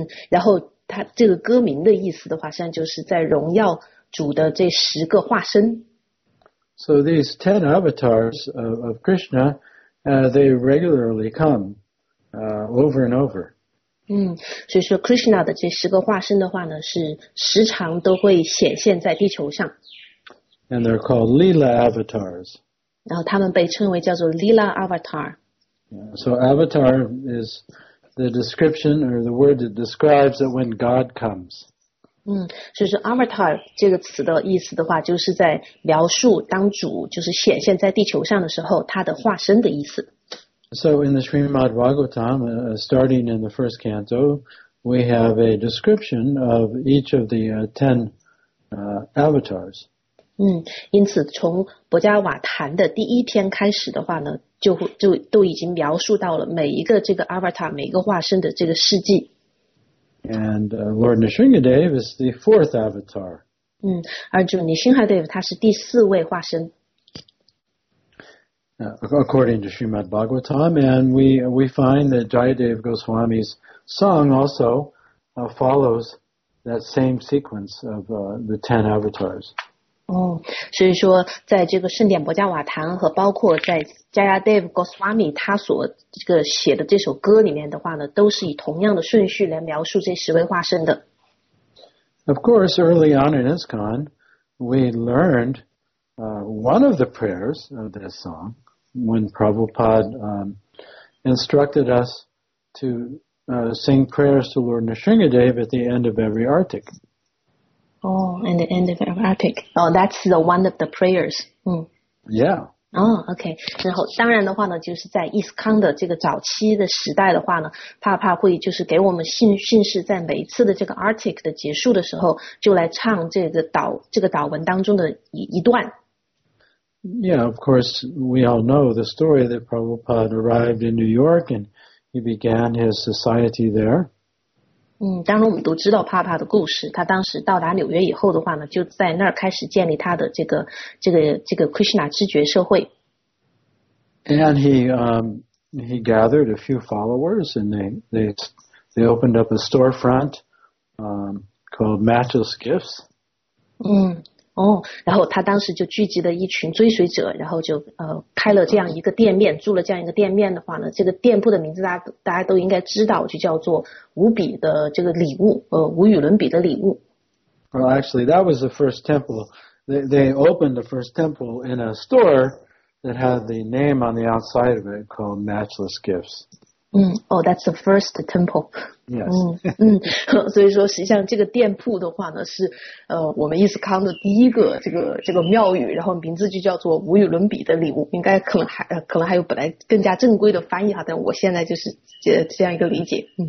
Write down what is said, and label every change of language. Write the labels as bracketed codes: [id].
[zh] 然后它这个歌名的意思的话，实际上就是在荣耀主的这十个化身。 [en] So these 10 avatars of Krishna, they regularly come. Over and over. [zh] 所以说 Krishna 的这十个化身的话呢，是时常都会显现在地球上。 [en] And they're called Lila avatars. [zh] 然后他们被称为叫做 Lila avatar. [en] So avatar is the description or the word that describes that when God comes. [zh] 所以说 avatar 这个词的意思的话，就是在描述当主就是显现在地球上的时候，他的化身的意思。 [en] So in the Srimad Bhagavatam, starting in the first canto, we have a description of each of the 10 avatars. [zh] 因此从博加瓦坛的第一篇开始的话呢，就都已经描述到了每一个这个 avatar, 每一个化身的这个事迹。 [en] And Lord Narsingadev is the fourth avatar. [zh] 而主尼辛哈德夫他是第四位化身。 [en] According to Srimad Bhagavatam, and we find that Jayadev Goswami's song also follows that same sequence of the 10 avatars. [zh] 所以说在这个圣典博加瓦坛和包括在 Jayadev Goswami 他所这个写的这首歌里面的话呢，都是以同样的顺序来描述这十位化身的。 [en] Of course, early on in ISKCON, we learned one of the prayers of this song,When Prabhupada instructed us to sing prayers to Lord Narsingadev at the end of every artic. Oh, at the end of every artic. Oh, that's the one of the prayers. Yeah. Oh, okay. [zh] 然后当然的话呢，就是在 ISKCON 的这个早期的时代的话呢，帕会就是给我们信士在每一次的这个 artic 的结束的时候，就来唱这个祷文当中的一段。 [en] Yeah, of course, we all know the story that Prabhupada arrived in New York and he began his society there. [zh] 当然我们都知道帕帕的故事，他当时到达纽约以后的话呢，就在那儿开始建立他的这个 Krishna 知觉社会。 [en] And he gathered a few followers and they opened up a storefront called Matchless Gifts. [zh] 哦，然后他当时就聚集了一群追随者，然后就开了这样一个店面，住了这样一个店面的话呢，这个店铺的名字大家都应该知道，就叫做无比的这个礼物，无与伦比的礼物。 [en] Well, actually, that was the first temple. They opened the first temple in a store that had the name on the outside of it called Matchless Gifts. Oh, that's the first temple. Yes. [zh] 所以说实际上这个店铺的话呢是我们伊斯康的第一个这个庙宇，然后名字就叫做无与伦比的礼物，应该可能还有本来更加正规的翻译哈，但我现在就是这样一个理解。